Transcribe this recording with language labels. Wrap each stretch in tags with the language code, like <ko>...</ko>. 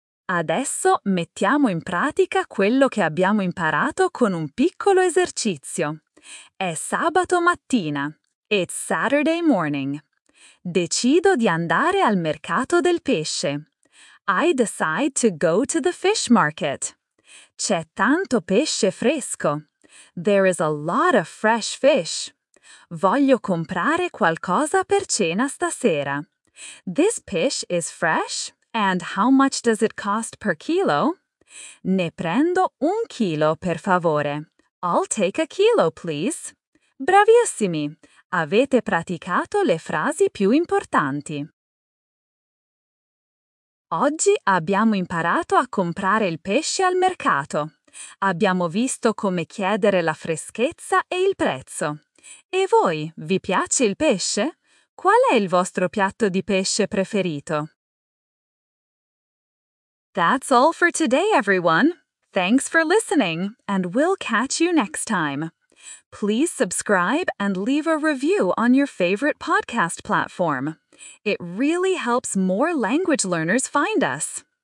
<it>Adesso mettiamo in pratica quello che abbiamo imparato con un piccolo esercizio. È sabato mattina.</it> <en>It's Saturday morning.</en> <it>Decido di andare al mercato del pesce.</it> <en>I decide to go to the fish market.</en> <it>C'è tanto pesce fresco.</it> <en>There is a lot of fresh fish.</en> <it>Voglio comprare qualcosa per cena stasera.</it> <en>This fish is fresh, and how much does it cost per kilo?</en> <it>Ne prendo un chilo, per favore.</it> <en>I'll take a kilo, please.</en> <it>Bravissimi! Avete praticato le frasi più importanti. Oggi abbiamo imparato a comprare il pesce al mercato. Abbiamo visto come chiedere la freschezza e il prezzo. E voi, vi piace il pesce? Qual è il vostro piatto di pesce preferito?</it> <en>That's all for today, everyone. Thanks for listening, and we'll catch you next time. Please subscribe and leave a review on your favorite podcast platform. It really helps more language learners find us.</en>